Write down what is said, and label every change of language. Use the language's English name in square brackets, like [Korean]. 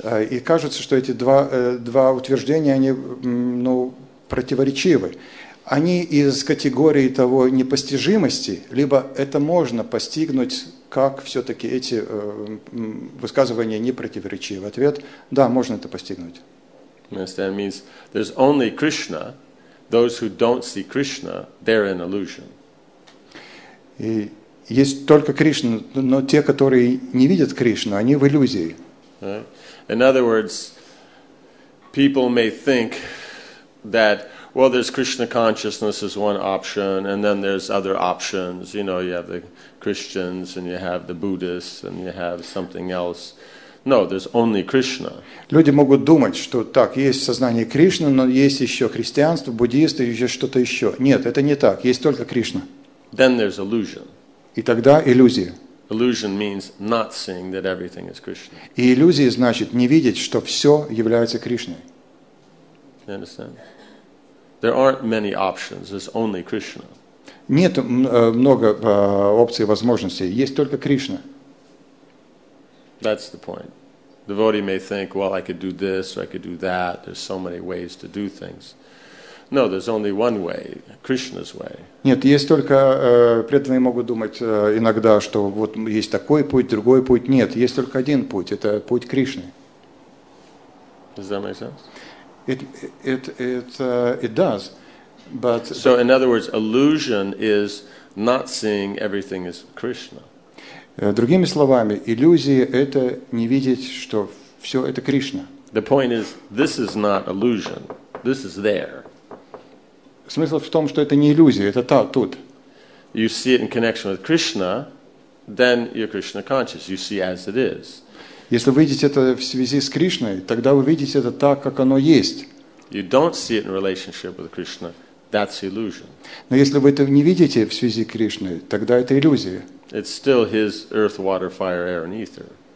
[Russian] И кажется, что эти два утверждения, они противоречивы. Они из категории того непостижимости, либо это можно постигнуть, как все-таки эти высказывания непротиворечивы. Ответ – да, можно это постигнуть. [English] Yes, that means there's only Krishna. Those who don't see Krishna, they're an illusion. [Russian] И есть только Кришна, но те, которые не видят Кришну, они в иллюзии. [English] Right. In other words, people may think that, well, there's Krishna consciousness is one option, and then there's other options. You know, you have the Christians, and you have the Buddhists, and you have something else. No, there's only Krishna. [Russian] Люди могут думать, что так, есть сознание Кришны, но есть еще христианство, буддисты, еще что-то еще. Нет, это не так. Есть только Кришна. [English] Then there's illusion. [Russian] И тогда иллюзия. [English] Illusion means not seeing that everything is Krishna. [Russian] И иллюзия значит не видеть, что все является Кришной. [English] You understand? There aren't many options. There's only Krishna. [Russian] Нет много опций, возможностей. Есть только Кришна. [English] That's the point. Devotee may think, well, I could do this or I could do that. There's so many ways to do things. No, there's only one way, Krishna's way. [Russian] Нет, есть только преданные могут думать иногда, что вот есть такой путь, другой путь. Нет, есть только один путь. Это путь Кришны. [English] Does that make sense? It does. But so in other words, illusion is not seeing everything as Krishna. [Russian] Другими словами, иллюзия – это не видеть, что все это Кришна. [English] The point is, this is not illusion. This is there. [Russian] Смысл в том, что это не иллюзия, это та, тут. [English] You see it in connection with Krishna, then you're Krishna conscious. You see as it is. [Russian] Если вы видите это в связи с Кришной, тогда вы видите это так, как оно есть. [English] You don't see it in relationship with Krishna, that's illusion. [Russian] Но если вы это не видите в связи с Кришной, тогда это иллюзия. [English] It's still his earth, water, fire, air, and ether.